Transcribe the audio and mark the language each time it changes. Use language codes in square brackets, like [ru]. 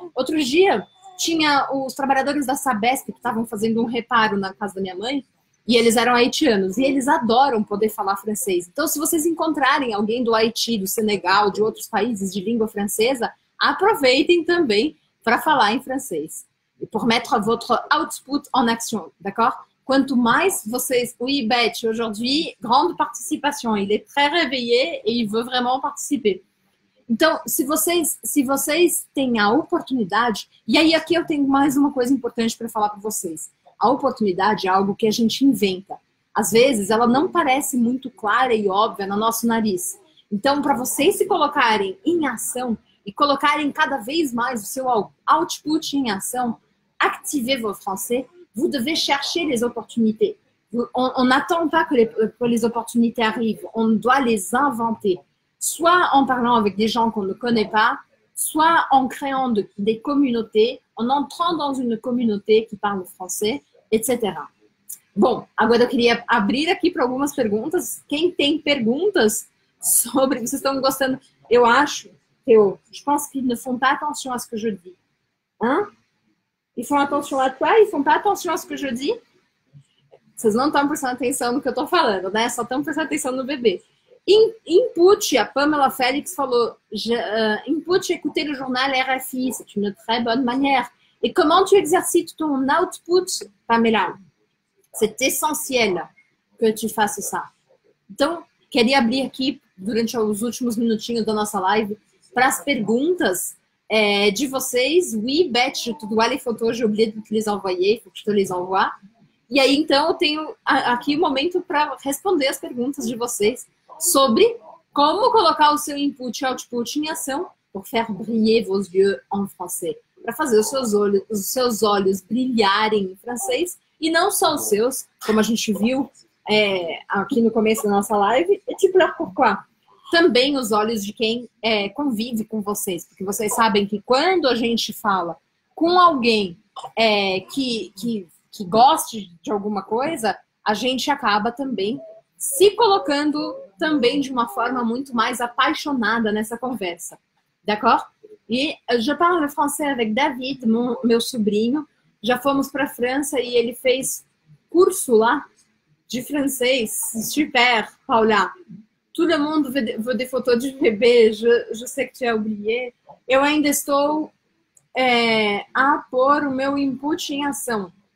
[pt] Outro dia, tinha os trabalhadores da Sabesp que estavam fazendo um reparo na casa da minha mãe, e eles eram haitianos, e eles adoram poder falar francês. Então, se vocês encontrarem alguém do Haiti, do Senegal, de outros países de língua francesa, aproveitem também para falar em francês. [fr] Por mettre votre output en action, d'accord? [pt] Quanto mais vocês... [fr] Oui, Beth, aujourd'hui, grande participation. Il est très réveillé et il veut vraiment participer. [pt] Então, se vocês têm a oportunidade... E aí, aqui eu tenho mais uma coisa importante para falar para vocês. A oportunidade é algo que a gente inventa. Às vezes, ela não parece muito clara e óbvia no nosso nariz. Então, para vocês se colocarem em ação... E colocarem cada vez mais o seu output em ação, [fr] activez votre français, vous devez chercher les opportunités. On n'attend pas que les opportunités arrivent, on doit les inventer. Soit en parlant avec des gens qu'on ne connaît pas, soit en créant des communautés, en entrant dans une communauté qui parle français, etc. [pt] Bon, agora eu queria abrir aqui para algumas perguntas. Quem tem perguntas sobre... Vocês estão gostando? Eu acho... [fr] Théo, je pense qu'ils ne font pas attention à ce que je dis. Hein? Ils font attention à toi? Ils font pas attention à ce que je dis? [pt] Vocês não estão prestando atenção no que eu estou falando, né? Só estão prestando atenção no bebê. [fr] Input, [pt] a Pamela Félix falou, [fr] input, écouter le journal RFI, c'est une très bonne manière. Et comment tu exercites ton output, Pamela? C'est essentiel que tu fasses ça. [pt] Então, queria abrir aqui, durante os últimos minutinhos da nossa live, para as perguntas de vocês. [fr] Oui, Beth, je te dois les photos, j'ai oublié de te les envoyer, faut que je te les envoie. [pt] E aí, então, eu tenho aqui o momento para responder as perguntas de vocês sobre como colocar o seu input e output em ação [fr] pour faire briller vos yeux en français. [pt] Para fazer os seus olhos brilharem em francês, e não só os seus, como a gente viu aqui no começo da nossa live, [fr] et tu pleures pourquoi? [pt] Também os olhos de quem convive com vocês. Porque vocês sabem que quando a gente fala com alguém que goste de alguma coisa, a gente acaba também se colocando também de uma forma muito mais apaixonada nessa conversa. [fr] D'accord? E je parle français avec David, [pt] meu sobrinho. Já fomos para a França e ele fez curso lá de francês. Super, Paula. Todo mundo vê de foto de bebê, eu sei que tinha oublié. Eu ainda estou a pôr o meu input em ação.